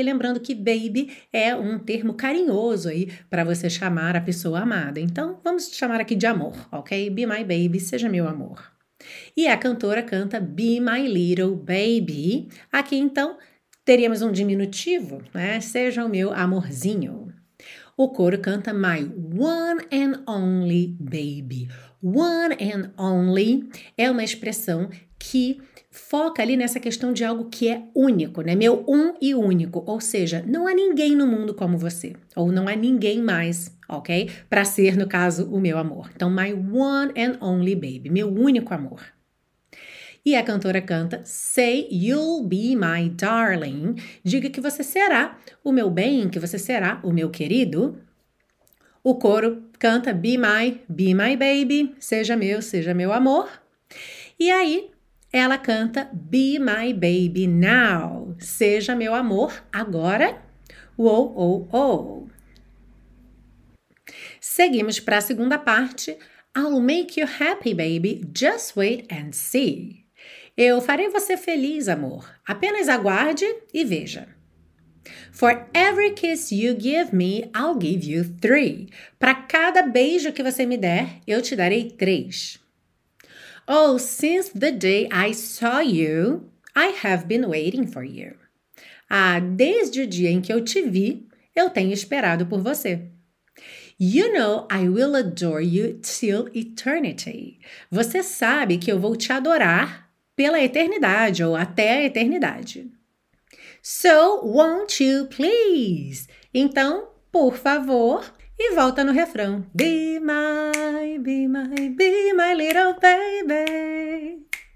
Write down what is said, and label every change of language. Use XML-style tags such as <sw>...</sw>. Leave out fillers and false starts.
<pt>Lembrando que baby é um termo carinhoso aí para você chamar a pessoa amada. Então, vamos chamar aqui de amor, ok?</pt> <en>Be my baby,</en> <pt>seja meu amor. E a cantora canta</pt> <en>be my little baby.</en> <pt>Aqui, então, teríamos um diminutivo, né? Seja o meu amorzinho. O coro canta</pt> <en>my one and only baby.</en> <pt>One and only é uma expressão que foca ali nessa questão de algo que é único, né? Meu um e único. Ou seja, não há ninguém no mundo como você. Ou não há ninguém mais, ok? Para ser, no caso, o meu amor. Então,</pt> <en>my one and only baby.</en> <pt>Meu único amor. E a cantora canta,</pt> <en>say you'll be my darling.</en> <pt>Diga que você será o meu bem, que você será o meu querido. O coro canta,</pt> <en>be my baby.</en> <pt>Seja meu amor. E aí, ela canta</pt> <en>Be My Baby Now.</en> <pt>Seja meu amor agora. Uou, uou, uou. Seguimos para a segunda parte.</pt> <en>I'll make you happy, baby. Just wait and see.</en> <pt>Eu farei você feliz, amor. Apenas aguarde e veja.</pt> <en>For every kiss you give me, I'll give you three.</en> <pt>Para cada beijo que você me der, eu te darei três.</pt> <en>Oh, since the day I saw you, I have been waiting for you.</en> <pt>Ah, desde o dia em que eu te vi, eu tenho esperado por você.</pt> <en>You know I will adore you till eternity.</en> <pt>Você sabe que eu vou te adorar pela eternidade ou até a eternidade.</pt> <en>So, won't you please?</en> <pt>Então, por favor. E volta no refrão.</pt> <en>Be my little baby.</en>